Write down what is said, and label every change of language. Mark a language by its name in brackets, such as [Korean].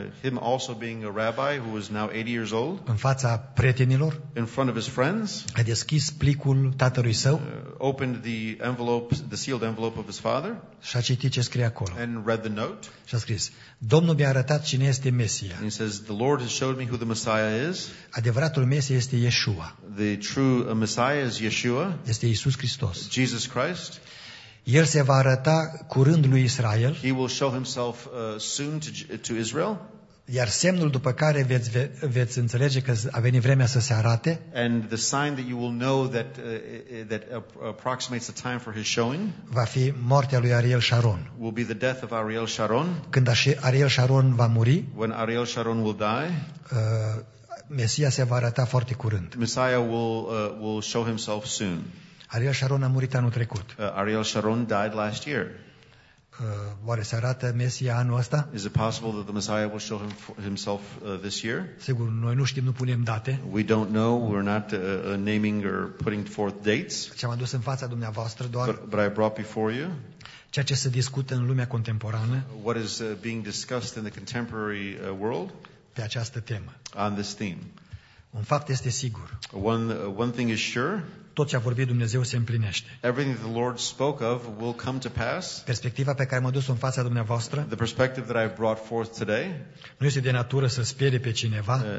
[English] Him also being a rabbi who is now 80 years old. [Romanian] În fața prietenilor. [English] In front of his friends. [Romanian] A deschis plicul tatălui său. [English] Opened the envelope, the sealed envelope of his father. [Romanian] Și a citit ce scrie acolo. [English] And read the note. [Romanian] Și a scris, Domnul mi-a arătat cine este Mesia. [English] And he says, the Lord has showed me who the Messiah is. [Romanian] Adevăratul Mesia este Yeshua. [English] The true Messiah is Yeshua. [Romanian] Este Iisus Hristos. [English] Jesus Christ. [Romanian] El se va arăta curând lui Israel. [English] He will show himself soon to Israel. [Romanian] Iar semnul după care veți înțelege că a venit vremea să se arate. [English] And the sign that you will know that that approximates the time for his showing. [Romanian] Va fi moartea lui Ariel Sharon. [English] Will be the death of Ariel Sharon. [Romanian] Când Ariel Sharon va muri. [English] When Ariel Sharon will die. [Romanian] Mesia se va arăta foarte curând. [English] Messiah will show himself soon. [Romanian] Ariel Sharon a murit anul trecut. [English] Ariel Sharon died last year. [Romanian] Oare se arată Mesia anul ăsta? [English] Is it possible that the Messiah will show himself this year? [Romanian] Sigur, noi nu știm, nu punem date. [English] We don't know, we're not naming or putting forth dates. [Romanian] Ce am adus în fața dumneavoastră doar. [English] But I brought before you. [Romanian] Ceea ce se discută în lumea contemporană. [English] What is being discussed in the contemporary world? [Romanian] Pe această temă. [English] On this theme. [Romanian] Un fapt este sigur. [English] One thing is sure. [Romanian] Tot ce a vorbit Dumnezeu se împlinește. [English] Everything the Lord spoke of will come to pass. [Romanian] Perspectiva pe care m-a dus în fața dumneavoastră. [English] The perspective that I brought forth today. [Romanian] Nu este de natură să spere pe cineva.